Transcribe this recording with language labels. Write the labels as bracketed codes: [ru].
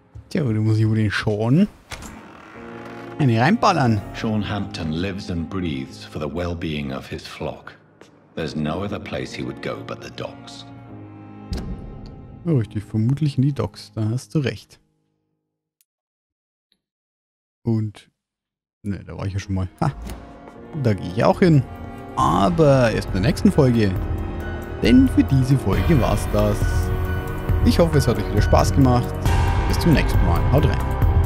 [de] Tja, du musst über den Sean in die reinballern. [en] Sean Hampton lives and breathes for the well-being of his flock. There's no other place he would go but the docks. [de] Oh, richtig, vermutlich in die Docks, da hast du recht. Und, ne, da war ich ja schon mal. Ha, da gehe ich auch hin. Aber erst in der nächsten Folge. Denn für diese Folge war's das. Ich hoffe, es hat euch wieder Spaß gemacht. Bis zum nächsten Mal. Haut rein.